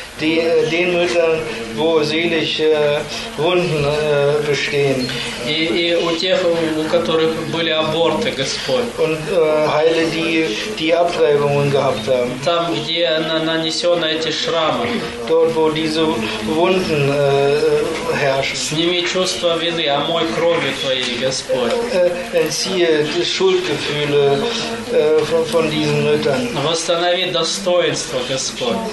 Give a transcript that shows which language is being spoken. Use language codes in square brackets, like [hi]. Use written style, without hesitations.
[de] Den Müttern, wo seelische Wunden bestehen. [ru] И у тех, у которых были аборты, Господь. [de] Und heile die Abtreibungen gehabt haben. [ru] Там, где нанесены эти шрамы. [de] Dort, wo diese Wunden herrschen. [ru] Сними чувство вины, омой кровью твоей, Господь. [de] Entziehe die Schuldgefühle von diesen Müttern. [ru] Восстанови достоинство, Господь.